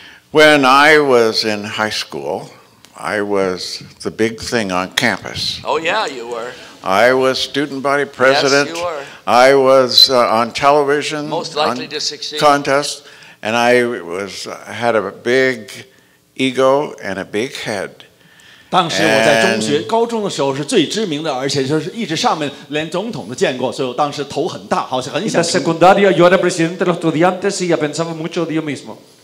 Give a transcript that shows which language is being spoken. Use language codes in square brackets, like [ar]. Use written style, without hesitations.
[en] When I was in high school, I was the big thing on campus. Oh yeah, you were. I was student body president. Yes, you were. I was on television. Most likely to succeed. Contest. And I was had a big ego and a big head. [zh] 当时我在中学、高中的时候是最知名的，而且就是一直上面连总统都见过，所以当时头很大，好像很想。 [es] En la secundaria yo era presidente de los estudiantes y ya pensaba mucho de yo mismo.